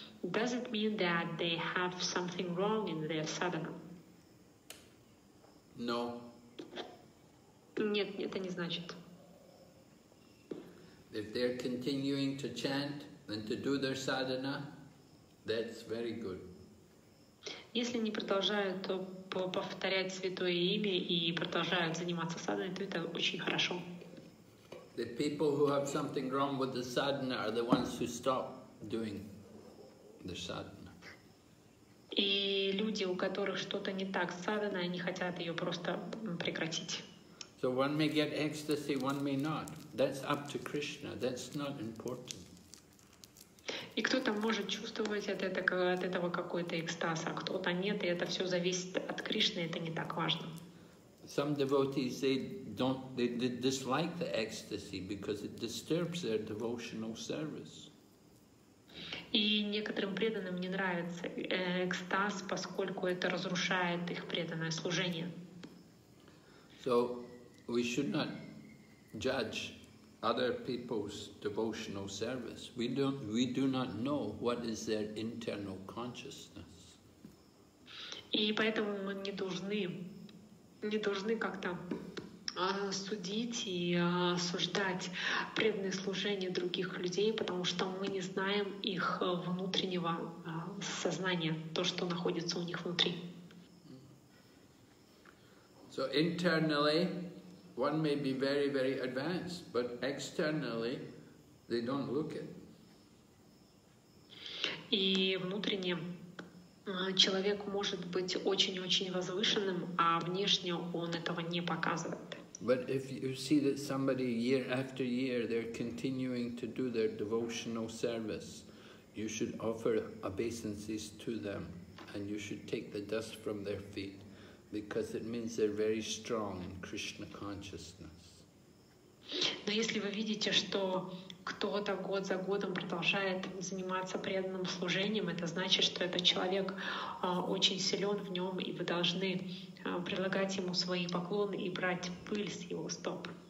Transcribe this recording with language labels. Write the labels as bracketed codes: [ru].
[en] Does it mean that they have something wrong in their sadhana? No. [ru] Нет, это не значит. [en] If they're continuing to chant and to do their sadhana, that's very good. [ru] Если не продолжают, то повторять святое имя и продолжают заниматься садханой, то это очень хорошо. [en] The people who have something wrong with the sadhana are the ones who stop doing the sadhana. [ru] И люди, у которых что-то не так с садханой, они хотят ее просто прекратить. [en] So one may get ecstasy, one may not. That's up to Krishna. That's not important. [ru] И кто-то может чувствовать от этого какой-то экстаз, а кто-то нет, и это все зависит от Кришны, это не так важно. [en] Some devotees, they dislike the ecstasy because it disturbs their devotional service. [ru] И некоторым преданным не нравится экстаз, поскольку это разрушает их преданное служение. [en] So we should not judge other people's devotional service. We do not know what is their internal consciousness. [ru] И поэтому мы не должны как-то судить и осуждать преданное служение других людей, потому что мы не знаем их внутреннего сознания, то, что находится у них внутри. [en] So internally one may be very, very advanced, but externally they don't look it. [ru] И внутренне человек может быть очень-очень возвышенным, а внешне он этого не показывает. [en] But if you see that somebody year after year they're continuing to do their devotional service, you should offer obeisances to them and you should take the dust from their feet, because it means they're very strong in Krishna consciousness. [ru] Но если вы видите, что кто-то год за годом продолжает заниматься преданным служением, это значит, что этот человек очень силен в нем, и вы должны предлагать ему свои поклоны и брать пыль с его стоп.